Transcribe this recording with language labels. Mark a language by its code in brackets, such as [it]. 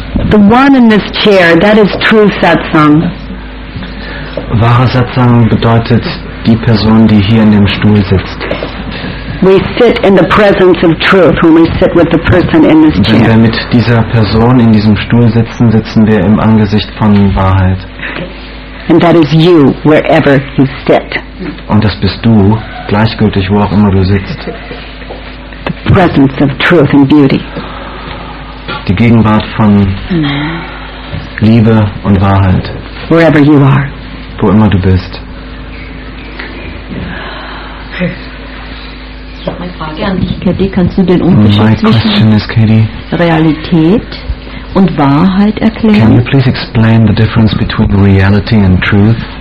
[en] The one in this chair, that is true satsang. [de] Wahrer Satsang bedeutet die Person, die hier in dem Stuhl sitzt. [en] We sit in the presence of truth when we sit with the person in this chair. [de] Wenn wir mit dieser Person in diesem Stuhl sitzen, sitzen wir im Angesicht von Wahrheit. [en] And that is you, wherever you sit. [de] Und das bist du, gleichgültig wo auch immer du sitzt. [en] The presence of truth and beauty. [de] Die Gegenwart von Liebe und Wahrheit. [en] Wherever you are. [de] Wo immer du bist. Katie, kannst du den Unterschied zwischen Realität und Wahrheit erklären? [en] Can you please explain the difference between reality and truth?